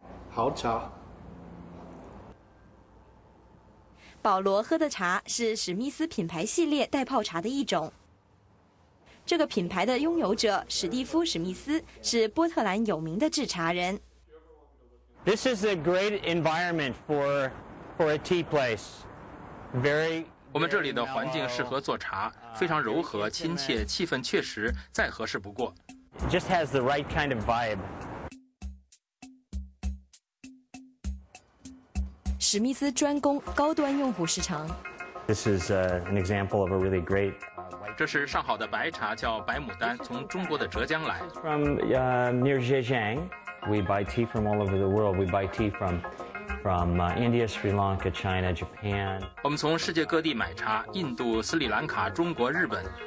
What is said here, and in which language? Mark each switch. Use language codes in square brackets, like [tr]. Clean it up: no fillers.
[zh] 好茶。保罗喝的茶是史密斯品牌系列袋泡茶的一种。这个品牌的拥有者史蒂夫·史密斯是波特兰有名的制茶人。 [en] This is a great environment for a tea place. Very. [zh] 我们这里的环境适合做茶，非常柔和亲切，气氛确实再合适不过。 [en] Just has the right kind of vibe. [zh] 史密斯专攻高端用户市场。 [en] This is an example of a really great. [zh] 这是上好的白茶，叫白牡丹，从中国的浙江来。 [en] From near Zhejiang, we buy tea from all over the world. We buy tea from India, Sri Lanka, China, Japan. [zh] 我们从世界各地买茶，印度、斯里兰卡、中国、日本。